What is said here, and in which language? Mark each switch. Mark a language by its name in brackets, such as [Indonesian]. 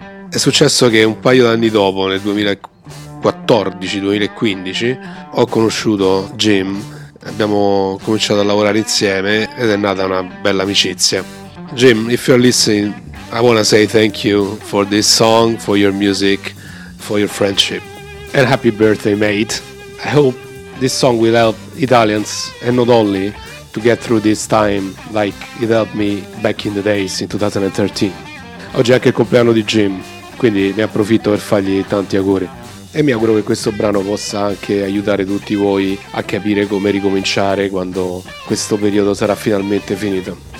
[Italian] È successo che un paio d'anni dopo, nel 2014-2015, ho conosciuto Jim, abbiamo cominciato a lavorare insieme ed è nata una bella amicizia. [English] Jim, if you're listening, I wanna say thank you for this song, for your music, for your friendship. And happy birthday, mate. I hope this song will help Italians and not only to get through this time like it helped me back in the days in 2013. [Italian] Oggi è anche il compleanno di Jim, quindi ne approfitto per fargli tanti auguri. E mi auguro che questo brano possa anche aiutare tutti voi a capire come ricominciare quando questo periodo sarà finalmente finito.